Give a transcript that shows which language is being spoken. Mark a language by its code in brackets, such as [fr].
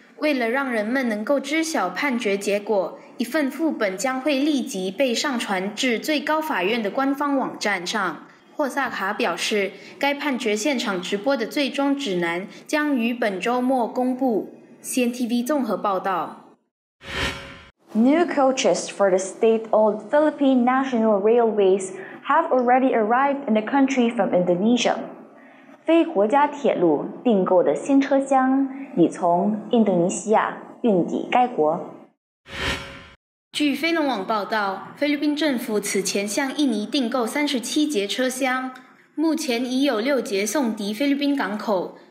[zh] 为了让人们能够知晓判决结果，一份副本将会立即被上传至最高法院的官方网站上。霍萨卡表示，该判决现场直播的最终指南将于本周末公布。 CNTV 综合报道。 [en] New coaches for the state-owned Philippine National Railways have already arrived in the country from Indonesia. [zh] 非国家铁路订购的新车厢已从印度尼西亚运抵该国。据飞龙网报道，菲律宾政府此前向印尼订购37节车厢，目前已有6节送抵菲律宾港口。